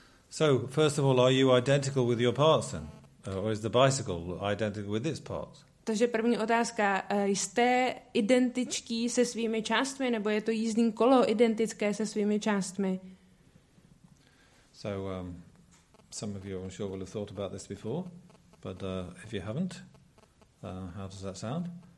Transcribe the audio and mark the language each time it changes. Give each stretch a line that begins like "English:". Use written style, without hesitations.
English: So, first of all, are you identical with your parts then? Or is the bicycle identical with its parts?
Czech: Takže první otázka, jste identičtí se svými částmi, nebo je to jízdní kolo identické se svými částmi?
English: So, some of you, I'm sure, will have thought about this before, but if you haven't, how does that sound?